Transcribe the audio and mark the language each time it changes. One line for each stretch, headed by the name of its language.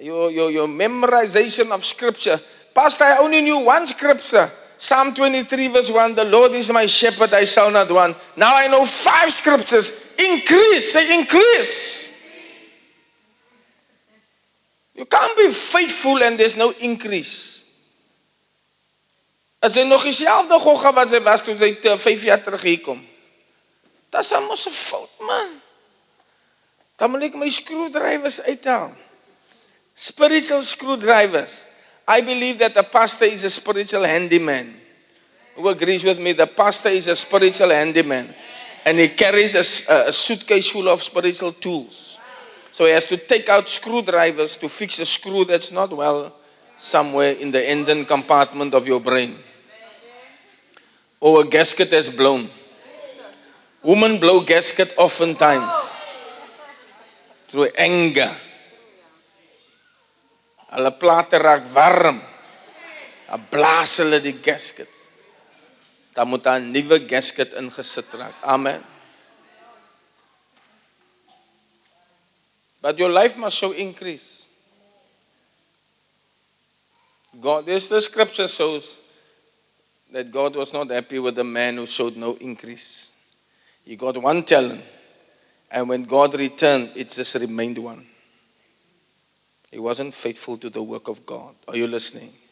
English: Your memorization of scripture. Pastor, I only knew one scripture. Psalm 23 verse 1. The Lord is my shepherd, I shall not want. Now I know 5 scriptures. Increase, say increase. You can't be faithful and there's no increase.
Afrikaans: As jy nog dieselfde gogga wat jy was toe jy 5 jaar terug hier kom. Dis mos 'n fout, man. Dan moet ek my skroedrywers uithaal.
English: Spiritual screwdrivers. I believe that the pastor is a spiritual handyman. Who agrees with me? The pastor is a spiritual handyman. And he carries a suitcase full of spiritual tools. So he has to take out screwdrivers to fix a screw that's not well somewhere in the engine compartment of your brain. Or a gasket has blown. Women blow gasket oftentimes through anger.
Afrikaans: Hulle plate raak warm. Hulle blaas hulle die gasket. Dan moet daar 'n nuwe gasket ingesit raak.
English: Amen. But your life must show increase. God, this the scripture shows that God was not happy with the man who showed no increase. He got one talent. And when God returned, it just remained one. He wasn't faithful to the work of God. Are you listening?